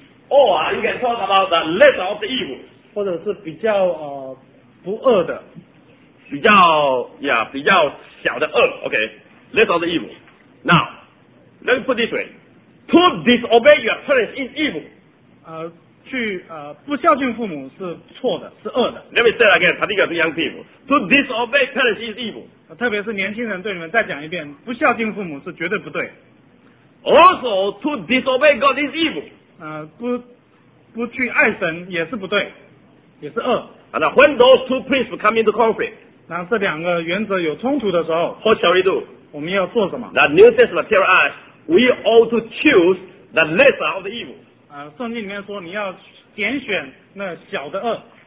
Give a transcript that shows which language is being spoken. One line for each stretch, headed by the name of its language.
English: ，or you can talk about the lesser of the evils，
Chinese: 或者是比较不恶的，比较比较小的恶 ，
English: OK， lesser of the evils。 Now， let me put this way， to disobey your parents is evil，
Chinese: 不孝敬父母是错的，是恶的。
English: Let me say that again, particularly young people, to disobey parents is evil。
Chinese: 特别是年轻人，对你们再讲一遍，不孝敬父母是绝对不对。
English: Also, to disobey God is evil。
Chinese: 不去爱神也是不对，也是恶。
English: And when those two principles come into conflict，
Chinese: 那这两个原则有冲突的时候
English: ，What shall we do？
Chinese: 我们要做什么
English: ？The New Testament tells us we ought to choose the lesser of the evil。
Chinese: 圣经里面说你要拣选那小的恶。